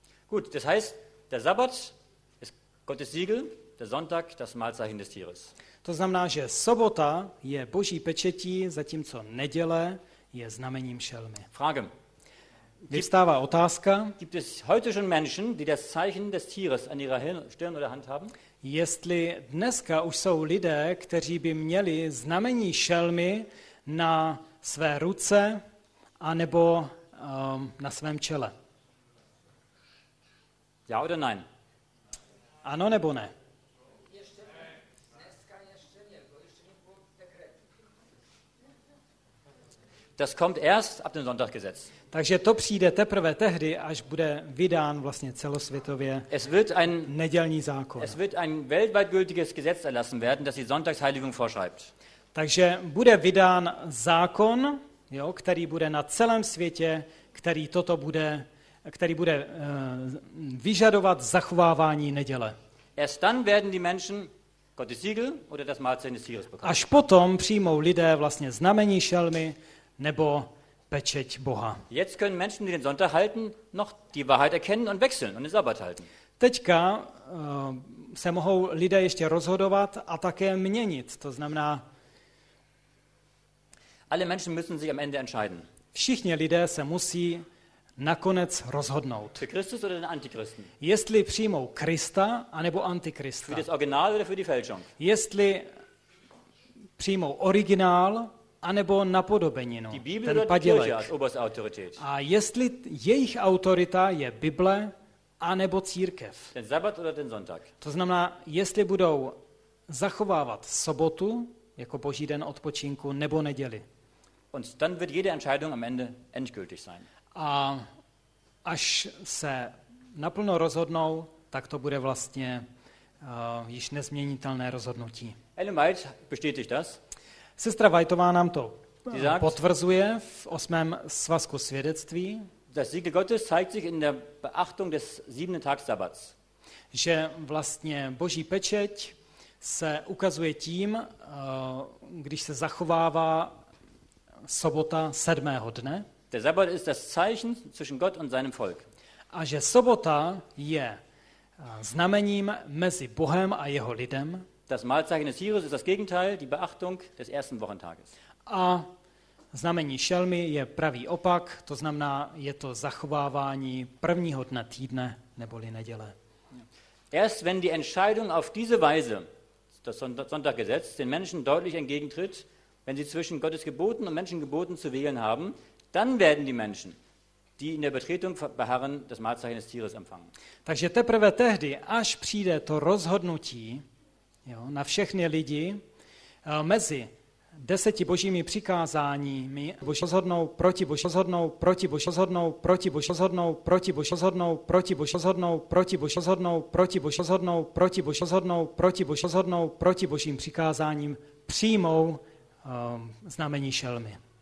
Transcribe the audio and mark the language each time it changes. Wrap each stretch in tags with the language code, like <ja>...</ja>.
<de>Gut, das heißt, der Sabbat ist Gottes Siegel, der Sonntag das Mahlzeichen des Tieres.</de> <cs>To znamená, že sobota je Boží pečetí, zatímco neděle je znamením šelmy.</cs> <de>Frage.</de> <cs>Vyvstává otázka.</cs> <de>Gibt es heute schon Menschen, die das Zeichen des Tieres an ihrer Stirn oder Hand haben?</de> <cs>Jestli dneska už jsou lidé, kteří by měli znamení šelmy na své ruce anebo na svém čele.</cs> <de>Ja oder nein?</de> <cs>Ano nebo ne?</cs> <de>Das kommt erst ab dem Sonntaggesetz.</de> <cs>Takže to přijde teprve tehdy, až bude vydán vlastně celosvětově nedělní zákon.</cs> <de>Es wird ein weltweit gültiges Gesetz erlassen werden, das die Sonntagsheiligung vorschreibt.</de> <cs>Takže bude vydán zákon, jo, který bude na celém světě, který toto bude, který bude vyžadovat zachovávání neděle.</cs> <de>Erst dann werden die Menschen Gottes Siegel oder das Malzeichen des Tieres bekommen.</de> <cs>Až potom přijmou lidé vlastně znamení šelmy nebo pečeť Boha.</cs> <de>Jetzt können Menschen, die den Sonntag halten, noch die Wahrheit erkennen und wechseln und den Sabbat halten.</de> <cs>Teďka se mohou lidé ještě rozhodovat a také měnit. To znamená,</cs> <de>alle Menschen müssen sich am Ende entscheiden.</de> <cs>Všichni lidé se musí nakonec rozhodnout.</cs> <de>Für Christus oder den Antichristen.</de> <cs>Jestli přijmou Krista anebo Antichrista.</cs> <de>Für das Original oder für die Fälschung.</de> <cs>Jestli přijmou originál anebo napodobeninu, ten padělek. A jestli jejich autorita je Bible anebo církev.</cs> <de>Ten sabbat oder ten sonntag.</de> <cs>To znamená, jestli budou zachovávat sobotu jako boží den odpočinku nebo neděli.</cs> <de>Und dann wird jede Entscheidung am Ende endgültig sein.</de> <cs>A až se naplno rozhodnou, tak to bude vlastně již nezměnitelné rozhodnutí.</cs> <de>Ellen White bestätigt das.</de> <cs>Sestra Whiteová nám to potvrzuje v 8. svazku svědectví.</cs> <de>Das Siegel Gottes zeigt sich in der Beachtung des siebten Tags Sabbats.</de> <cs>Že vlastně boží pečeť se ukazuje tím, když se zachovává sobota 7. dne.</cs> <de>Der Sabbat ist das Zeichen zwischen Gott und seinem Volk.</de> <cs>A že sobota je znamením mezi Bohem a jeho lidem.</cs> <de>Das Malzeichen des Tieres ist das Gegenteil, die Beachtung des ersten Wochentages.</de> <cs>A znamení šelmy je pravý opak, to znamená, je to zachovávání prvního dne týdne neboli neděle.</cs> <de>Erst wenn die Entscheidung auf diese Weise, das Sonntaggesetz, den Menschen deutlich entgegentritt, wenn sie zwischen Gottes Geboten und Menschengeboten zu wählen haben, dann werden die Menschen, die in der Betretung beharren, das Malzeichen des Tieres empfangen.</de> <cs>Takže teprve tehdy, až přijde to rozhodnutí, jo, na všechny lidi, mezi 10 božími přikázáními, proti božím přikázáním přijmou znamení šelmy.</cs>